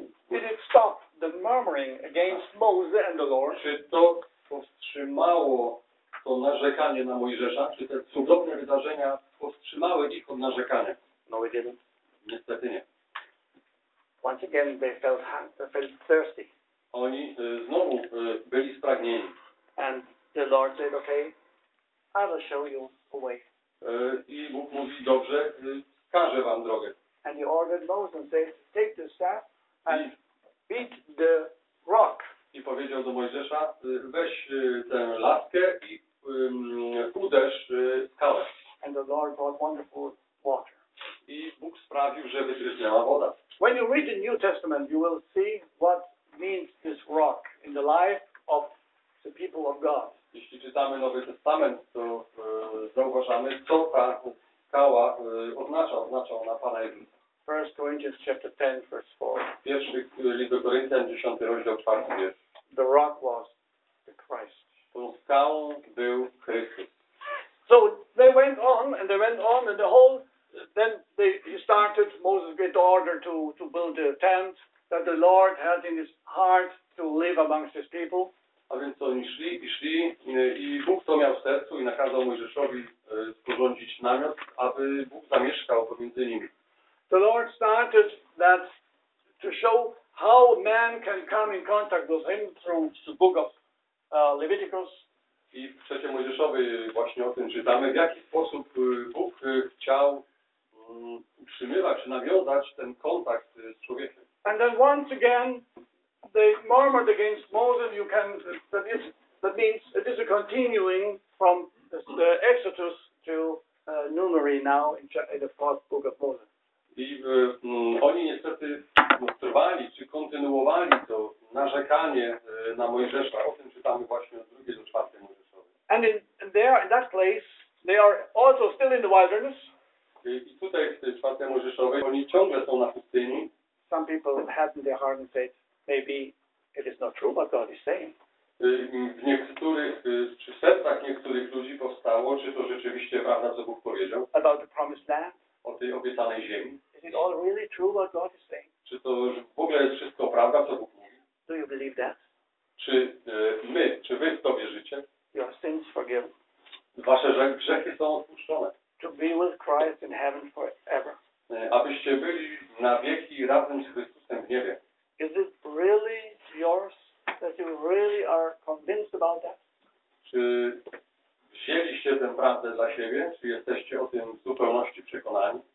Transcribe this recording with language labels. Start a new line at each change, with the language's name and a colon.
English: Did it stop the murmuring against Moses and the Lord?
Polish: Czy to powstrzymało to narzekanie na Mojżesza? Czy te cudowne wydarzenia powstrzymały ich od narzekania?
English: No, it didn't.
Polish: Niestety nie.
English: Once again they felt thirsty.
Polish: Oni znowu byli spragnieni.
English: And the Lord said, okay, I will show you a way.
Polish: I Bóg mówi, dobrze, wskażę wam drogę.
English: And he ordered Moses and said, take the staff and beat the rock.
Polish: I powiedział do Mojżesza, weź tę laskę i uderz skałę.
English: And the Lord brought wonderful water.
Polish: I Bóg sprawił, że wytryśnęła woda.
English: When you read the New Testament, you will see what means this rock in the life of the people of God.
Polish: Jeśli czytamy Nowy Testament, to zauważamy, co ta kała oznacza. Oznacza ona Pana Jezusa.
English: 1 Corinthians chapter 10, verse 4.
Polish: Pierwszy list do Koryntian, 10 rozdział, 4 wiersz.
English: The rock was the Christ.
Polish: Tą skałą był Chrystus.
English: So they went on and they went on and the whole then they started Moses gave the order to build the tent that the Lord had in his heart to live amongst his people.
Polish: A więc oni szli i szli i Bóg to miał w sercu i nakazał Mojżeszowi sporządzić namiot, aby Bóg zamieszkał pomiędzy nimi.
English: The Lord started that to show how man can come in contact with him through the book of Leviticus.
Polish: I w trzecie Mojżeszowej właśnie o tym czytamy, w jaki sposób Bóg chciał utrzymywać, nawiązać ten kontakt z człowiekiem.
English: And then once again, they murmured against Moses. You can that means it is a continuing from the Exodus to Numeri now in the fourth book of Moses.
Polish: I oni niestety trwali, czy kontynuowali to narzekanie na Mojżesza. O tym czytamy właśnie od drugiej do czwartej Mojżeszowej.
English: And in that place, they are also still in the wilderness.
Polish: I tutaj w tej czwartej Mojżeszowej oni ciągle są na pustyni.
English: Some people had in their heart and said, maybe it is not true, but God is saying.
Polish: W niektórych, czy w sercach niektórych ludzi powstało, czy to rzeczywiście prawda, co Bóg powiedział?
English: About the promised land.
Polish: O tej obiecanej ziemi.
English: Is it all really true what God is saying?
Polish: Czy to już w ogóle jest wszystko prawda, co Bóg mówi?
English: Do you believe that?
Polish: Czy my, czy wy w to wierzycie?
English: Your sins forgiven.
Polish: Wasze grzechy są odpuszczone.
English: To be with Christ in heaven forever.
Polish: Abyście byli na wieki razem z Chrystusem w niebie.
English: Is it really yours that you really are convinced about that?
Polish: Czy wzięliście tę prawdę dla siebie? Czy jesteście o tym w zupełności przekonani?